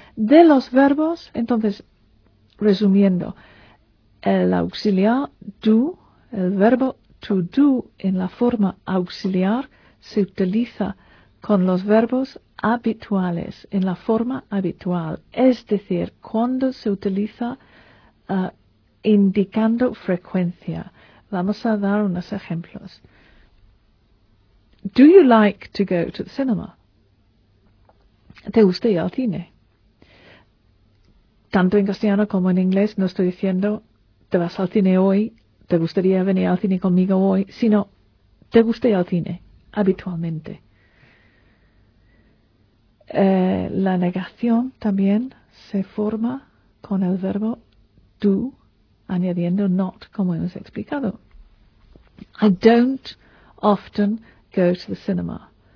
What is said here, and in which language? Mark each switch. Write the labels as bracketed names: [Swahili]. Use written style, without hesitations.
[Spanish] De los verbos, entonces, resumiendo, el auxiliar do, el verbo to do en la forma auxiliar se utiliza con los verbos habituales, en la forma habitual. Es decir, cuando se utiliza indicando frecuencia. Vamos a dar unos ejemplos. [English] Do you like to go to the cinema? [Spanish] ¿Te gusta ir al cine? Tanto en castellano como en inglés no estoy diciendo te vas al cine hoy, te gustaría venir al cine conmigo hoy, sino te gusta ir al cine habitualmente. La negación también se forma con el verbo do, añadiendo not, como hemos explicado. [English] I don't often go to the cinema.